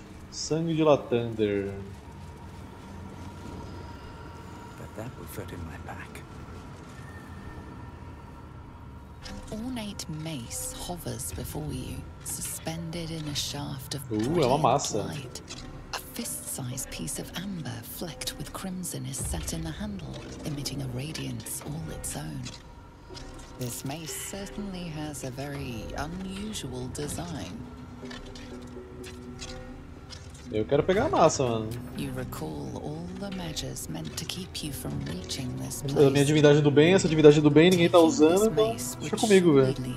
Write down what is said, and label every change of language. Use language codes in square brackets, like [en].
[pt] Sangue de Lathander. Mas isso vai ferir em meu back. [en] Ornate mace hovers before you, suspended in a shaft of brilliant light. A fist-sized piece of amber flecked with crimson is set in the handle, emitting a radiance all its own. This mace certainly has a very unusual design. [pt] Eu quero pegar a massa, mano. [en] You recall all the measures meant to keep you from reaching this place. [pt] A minha divindade do bem, essa divindade do bem ninguém tá usando, então deixa comigo, velho.